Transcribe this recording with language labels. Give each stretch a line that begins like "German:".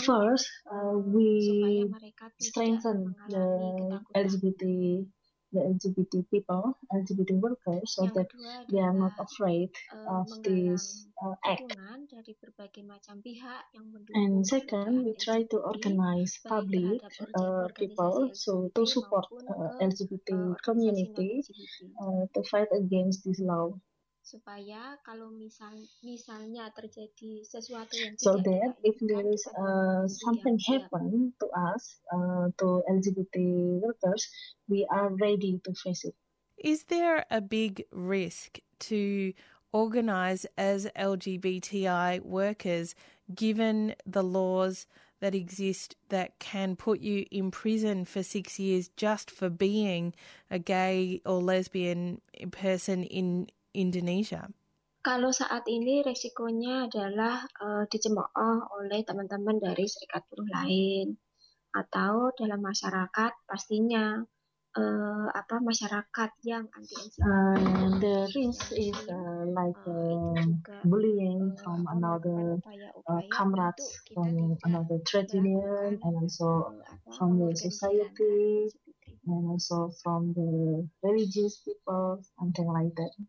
English: First, we strengthen the LGBT, people, LGBT workers, so that they are not afraid of this act.
Indonesian: Dari berbagai macam pihak yang
English: And second, we try to organize public people so to support LGBT community to fight against this law.
Indonesian: Supaya kalau misalnya terjadi sesuatu yang
English: so that if there is something happen to us to LGBT workers, we are ready to face it. Is there a big risk to organize as LGBTI workers given the laws that exist that can put you in prison for 6 years just for being a gay or lesbian person in Indonesia?
Indonesian: Kalau saat ini resikonya adalah dicemooh oleh teman-teman dari serikat buruh lain atau dalam masyarakat pastinya masyarakat yang anti
English: the risk is like bullying from another comrades from another trade union and also from the society and also from the religious people, something like that.